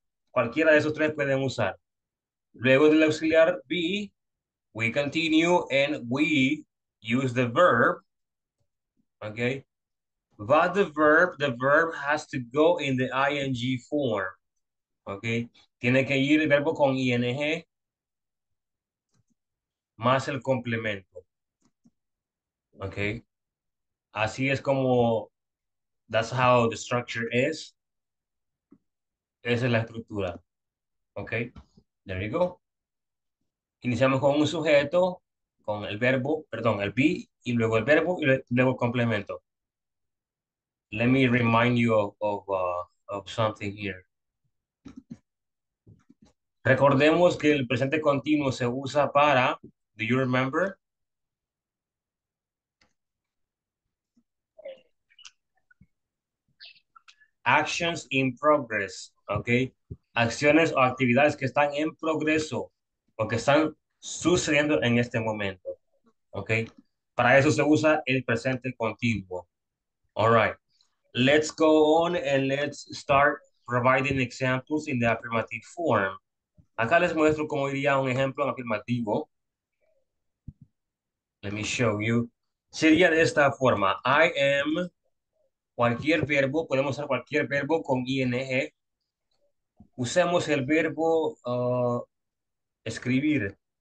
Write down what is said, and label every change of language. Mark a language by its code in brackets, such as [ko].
[es] Cualquiera de esos tres pueden usar. Luego del auxiliar be, [en] we continue and we use the verb, [es] okay? [en] But the verb has to go in the ing form, okay? [es] Tiene que ir el verbo con ing más el complemento, okay? Así es como, [en] that's how the structure is. [es] Esa es la estructura, okay? [en] There you go. [es] Iniciamos con un sujeto, con el verbo, perdón, el be, y luego el verbo, y luego el complemento. [en] Let me remind you of something here. [es] Recordemos que el presente continuo se usa para, [en] do you remember? Actions in progress, okay? [es] Acciones o actividades que están en progreso o que están sucediendo en este momento, okay? Para eso se usa el presente continuo. [en] All right, let's go on and let's start providing examples in the affirmative form. [es] Acá les muestro cómo iría un ejemplo afirmativo. [en] Let me show you. [es] Sería de esta forma. [en] I am, [es] cualquier verbo, podemos usar cualquier verbo con ing. Usemos el verbo escribir.